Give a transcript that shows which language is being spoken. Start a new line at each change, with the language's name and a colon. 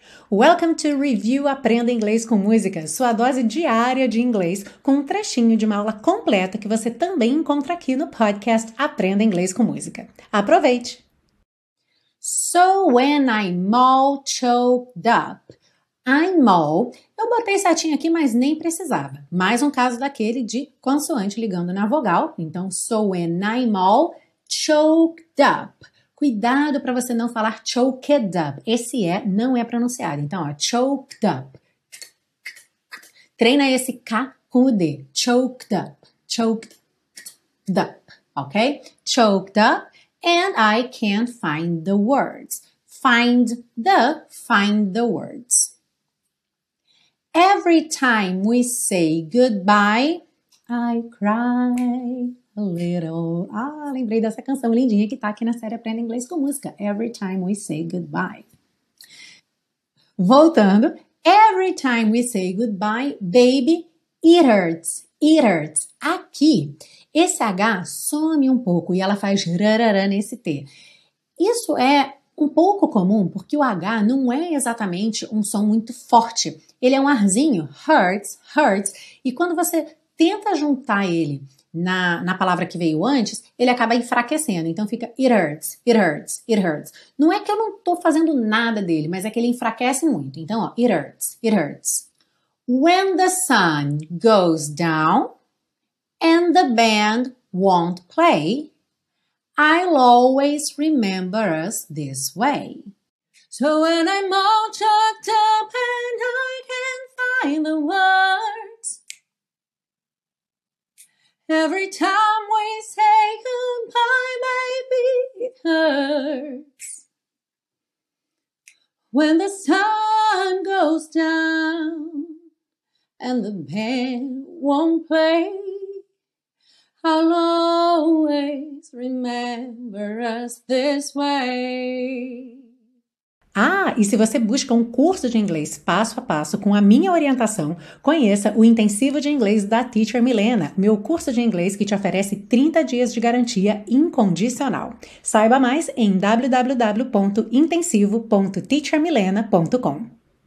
English: Welcome to Review
Portuguese: Aprenda Inglês com Música, sua dose diária de inglês, com um trechinho de uma aula completa que você também encontra aqui no podcast Aprenda Inglês com Música. Aproveite!
English: So when I'm all choked up. I'm all.
Portuguese: Eu botei certinho aqui, mas nem precisava. Mais um caso daquele de consoante ligando na vogal. Então,
English: so when I'm all choked up.
Portuguese: Cuidado para você não falar
English: choked up.
Portuguese: Esse E não é pronunciado. Então, ó,
English: choked up.
Portuguese: Treina esse K com o D. Choked up.
English: Choked up. Ok? Choked up. And I can't find the words. Find the words. Every time we say goodbye, I cry. A little.
Portuguese: Ah, lembrei dessa canção lindinha que tá aqui na série Aprenda Inglês com Música.
English: Every time we say goodbye.
Portuguese: Voltando.
English: Every time we say goodbye, baby, it hurts. It hurts.
Portuguese: Aqui, esse H some um pouco e ela faz rarará nesse T. Isso é um pouco comum porque o H não é exatamente um som muito forte. Ele é um arzinho.
English: Hurts, hurts.
Portuguese: E quando você tenta juntar ele na palavra que veio antes, ele acaba enfraquecendo, então fica
English: it hurts, it hurts, it hurts.
Portuguese: Não é que eu não estou fazendo nada dele, mas é que ele enfraquece muito, então ó,
English: it hurts, it hurts. When the sun goes down and the band won't play, I'll always remember us this way. So when I'm all choked up and I can't find the words, every time we say goodbye, baby, it hurts. When the sun goes down and the band won't play, I'll always remember us this way.
Portuguese: Ah, e se você busca um curso de inglês passo a passo com a minha orientação, conheça o Intensivo de Inglês da Teacher Milena, meu curso de inglês que te oferece 30 dias de garantia incondicional. Saiba mais em www.intensivo.teachermilena.com.